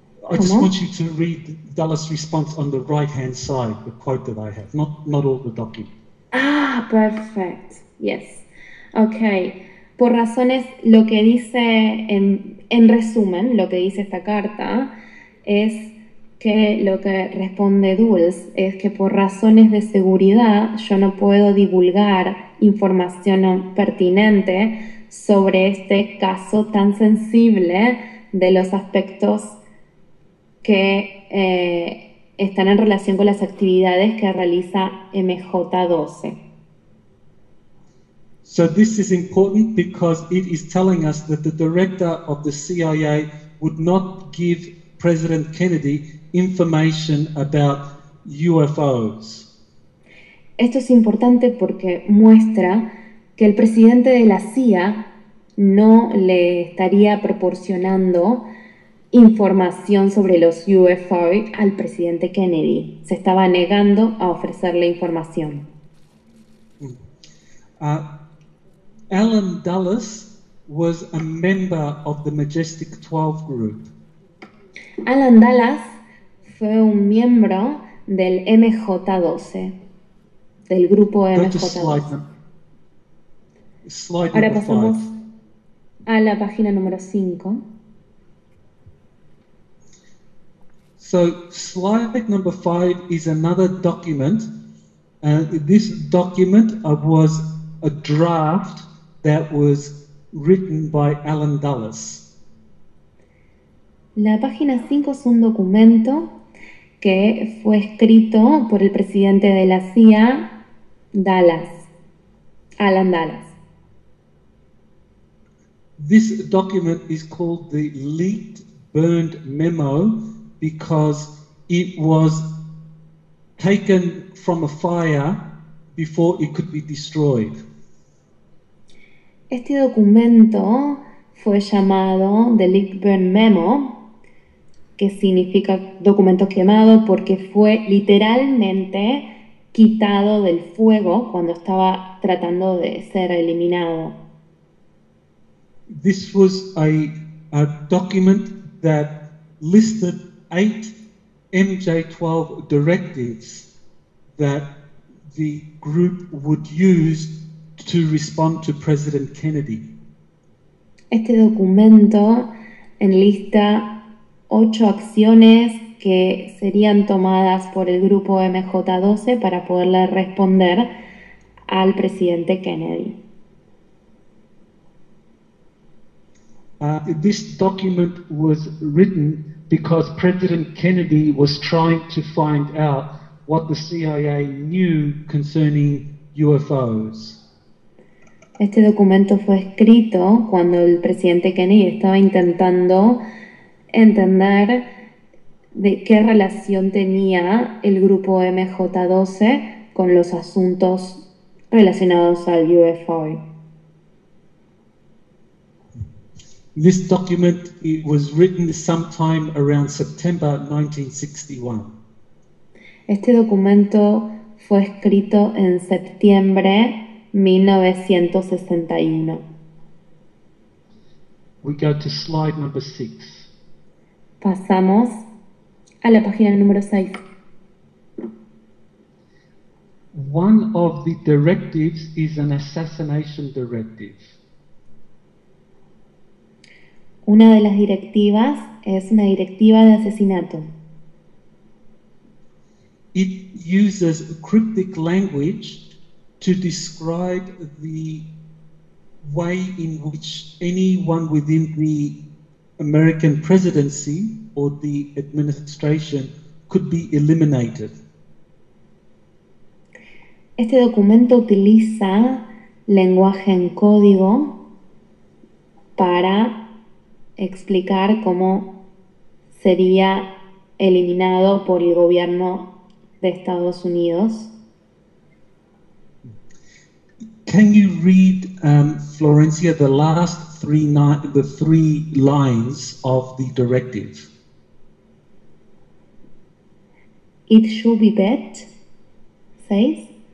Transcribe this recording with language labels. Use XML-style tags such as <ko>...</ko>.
<en>I just want you to read Dulles' response on the right-hand side, the quote that I have, not all the document. Ah, perfect. Yes. Okay.</en> <es>Por razones, lo que dice, en resumen, lo que dice esta carta es que lo que responde Dulles es que por razones de seguridad yo no puedo divulgar información pertinente sobre este caso tan sensible de los aspectos que están en relación con las actividades que realiza MJ-12.</es> <en>So this is important because it is telling us that the director of the CIA would not give President Kennedy information about UFOs.</en> <es>Esto es importante porque muestra que el presidente de la CIA no le estaría proporcionando información sobre los UFO al presidente Kennedy. Se estaba negando a ofrecerle información.</es> <en>Alan Dulles was a member of the Majestic 12 group.</en> <es>Alan Dulles fue un miembro del MJ-12, del grupo MJ-12. Ahora pasamos a la página número 5.</es> <en>So, slide number 5 is another document. This document was a draft that was written by Alan Dulles.</en> <es>La página 5 es un documento que fue escrito por el presidente de la CIA, Dulles, Alan Dulles.</es> <en>This document is called the Leaked Burned Memo, because it was taken from a fire before it could be destroyed.</en> <es>Este documento fue llamado The Leaked Burned Memo, que significa documento quemado porque fue literalmente quitado del fuego cuando estaba tratando de ser eliminado.</es> <en>This was a document that listed 8 MJ-12 directives that the group would use to respond to President Kennedy.</en> <es>Este documento enlista 8 acciones que serían tomadas por el grupo MJ-12 para poderle responder al presidente Kennedy.</es> <en>This document was written because President Kennedy was trying to find out what the CIA knew concerning UFOs.</en> <es>Este documento fue escrito cuando el presidente Kennedy estaba intentando entender de qué relación tenía el grupo MJ-12 con los asuntos relacionados al UFO.</es> <en>This document, it was written sometime around September 1961.</en> <es>Este documento fue escrito en septiembre 1961.</es> <en>We go to slide number 6.</en> <es>Pasamos a la página número 6.</es> <en>One of the directives is an assassination directive.</en> <es>Una de las directivas es una directiva de asesinato.</es> <en>It uses cryptic language to describe the way in which anyone within the American presidency or the administration could be eliminated.</en> <es>Este documento utiliza lenguaje en código para explicar cómo sería eliminado por el gobierno de Estados Unidos.</es> <en>Can you read, Florencia, the last three lines of the directive? It should be bet, says.</en>